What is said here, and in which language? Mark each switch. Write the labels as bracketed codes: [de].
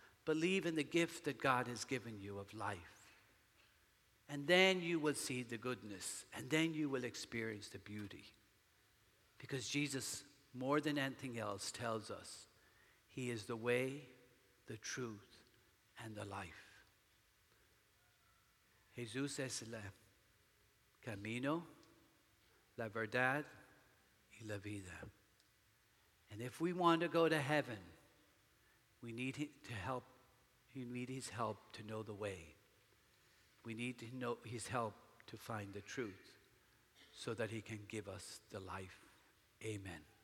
[en] Believe in the gift that God has given you of life. And then you will see the goodness, and then you will experience the beauty. Because Jesus, more than anything else, tells us he is the way, the truth, and the life. [es] Jesús es el camino, la verdad, y la vida. [en] And if we want to go to heaven, we need to help. We need his help to know the way. We need to know his help to find the truth so that he can give us the life. Amen.